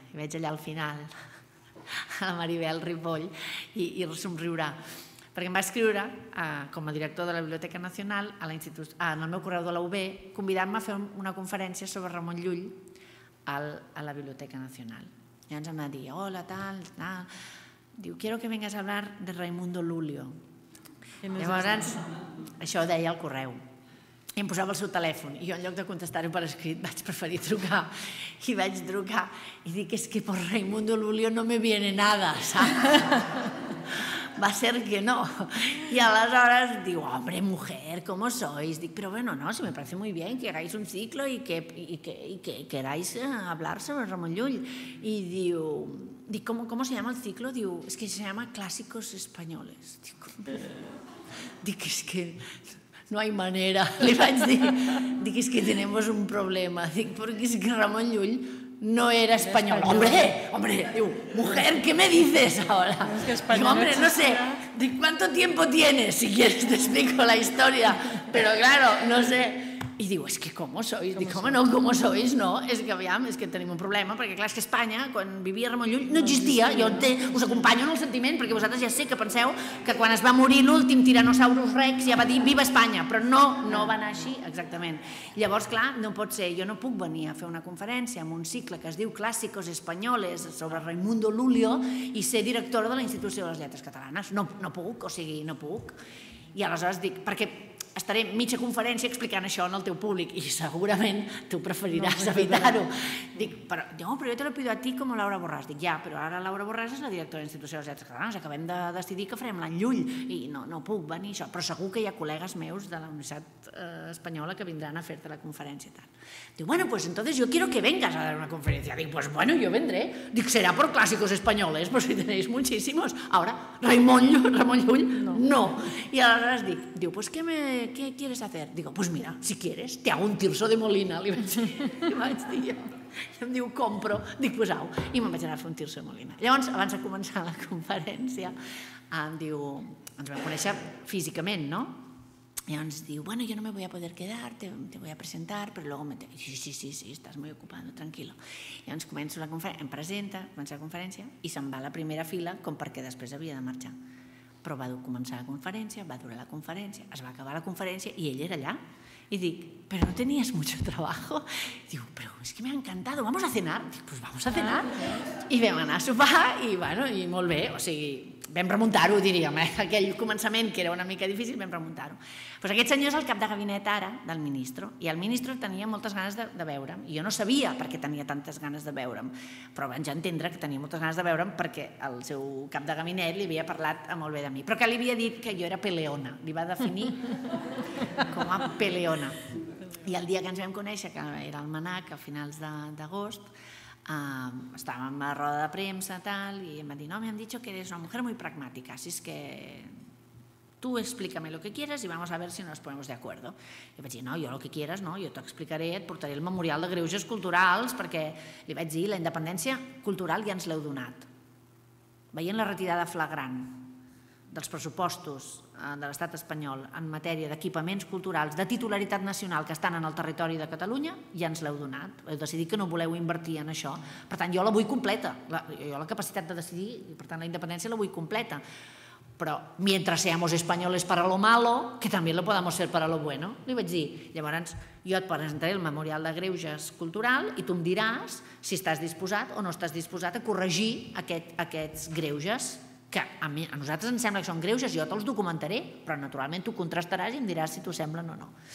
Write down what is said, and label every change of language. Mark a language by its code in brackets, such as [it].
[ca] I veig allà al final a la Maribel Ripoll i somriurà. Perquè em va escriure, com a director de la Biblioteca Nacional, en el meu correu de la UB, convidant-me a fer una conferència sobre Ramon Llull a la Biblioteca Nacional. Ya ens han de dir, hola, tal. [es] Diu, quiero que vengas a hablar de Raimundo Lulio. [ca] Llavors, això ho deia al correu. I em posava el seu telèfon. I jo, en lloc de contestar-ho per escrit, vaig preferir trucar. I vaig trucar i dic, és que [es] por Raimundo Lulio no me viene nada, [ca] saps? va ser que no. I aleshores diu, [es] hombre, mujer, ¿cómo sois? Dic, però bueno, no, si me parece muy bien que hagáis un ciclo y que queráis hablar sobre Ramon Llull. [ca] I diu, dic, [es] ¿cómo se llama el ciclo? Diu, es que se llama Clásicos Españoles. Dic, es que... No hay manera, [ca] li vaig dir. Dic, és que [es] tenemos un problema. [ca] Dic, perquè és que Ramon Llull no era espanyol. [es] Hombre, diu, mujer, ¿qué me dices ahora? Es que español, diu, hombre, no sé, dic, ¿cuánto tiempo tienes? Si quieres te explico la historia, pero claro, no sé. [ca] I diu, és que com sois? Dic, home, no, com sois, no? És que aviam, és que tenim un problema, perquè clar, és que Espanya, quan vivia Ramon Llull, no existia. Jo us acompanyo en el sentiment, perquè vosaltres ja sé que penseu que quan es va morir l'últim Tyrannosaurus Rex ja va dir, viva Espanya, però no va anar així exactament. Llavors, clar, no pot ser, jo no puc venir a fer una conferència amb un cicle que es diu Clàssicos Españoles sobre Raimundo Lullio i ser directora de la Institució de les Lletres Catalanes. No puc, o sigui, no puc. I aleshores dic, perquè... estaré mitja conferència explicant això al teu públic i segurament tu preferiràs evitar-ho. Però jo [es] te lo pido a ti [ca] com a Laura Borràs. Dic, ja, però ara Laura Borràs és la directora de l'Institució de les Lletres Catalanes. Acabem de decidir que farem l'any Llull i no puc venir això. Però segur que hi ha col·legues meus de la Universitat Espanyola que vindran a fer-te la conferència. I tal. [es] Diu, bueno, pues entonces yo quiero que vengas a dar una conferència. Dic, pues bueno, yo vendré. Dic, serà por Clàssicos Españoles, però si tenéis muchísimos. Ahora, Ramon Llull, no. [ca] I aleshores dic, diu, [es] pues ¿qué quieres hacer? Digo, pues mira, si quieres, te hago un Tirso de Molina. [ca] Li vaig dir jo. I em diu, compro. Dic, pues au. I me'n vaig anar a fer un Tirso de Molina. Llavors, abans de començar la conferència, em diu, ens vam conèixer físicament, no? I ens diu, [es] bueno, yo no me voy a poder quedar, te voy a presentar, pero luego me... Sí, estás muy ocupado, tranquilo. [ca] I ens començo la conferència, em presenta, comença la conferència, i se'n va a la primera fila com perquè després havia de marxar. Però va començar la conferència, va durar la conferència, es va acabar la conferència i ell era allà. I dic, però no tenies [es] mucho trabajo? [ca] Diu, però és que m'ha encantat, [es] vamos a cenar? [ca] Dic, [es] pues vamos a cenar. [ca] I vam anar a sopar i, bueno, i molt bé, o sigui... Vam remuntar-ho, diríem, aquell començament que era una mica difícil, vam remuntar-ho. Pues aquest senyor és el cap de gabinet ara del ministre i el ministre tenia moltes ganes de veure'm i jo no sabia per què tenia tantes ganes de veure'm, però vaig entendre que tenia moltes ganes de veure'm perquè el seu cap de gabinet li havia parlat molt bé de mi, però que li havia dit que jo era peleona, li va definir com a peleona. I el dia que ens vam conèixer, que era el MNAC a finals d'agost, estàvem a la roda de premsa tal, i em va dir, no, [es] me han dicho que eres una mujer muy pragmática, así es que tú explícame lo que quieras y vamos a ver si nos ponemos de acuerdo. [ca] I vaig dir, no, jo [es] lo que quieras, [ca] no, jo t'ho explicaré, et portaré el memorial de greuges culturals, perquè li vaig dir, la independència cultural ja ens l'heu donat. Veient la retirada flagrant dels pressupostos de l'Estat espanyol en matèria d'equipaments culturals de titularitat nacional que estan en el territori de Catalunya, ja ens l'heu donat. Heu decidit que no voleu invertir en això. Per tant, jo la vull completa. Jo la capacitat de decidir, per tant, la independència la vull completa. [es] Però, mientras seamos españoles para lo malo, que también lo podamos ser para lo bueno. [ca] Li vaig dir, llavors, jo et presentaré el memorial de greuges cultural i tu em diràs si estàs disposat o no estàs disposat a corregir aquests greuges que a nosaltres ens sembla que són greuges, jo te'ls documentaré, però naturalment tu contrastaràs i em diràs si t'ho semblen o no.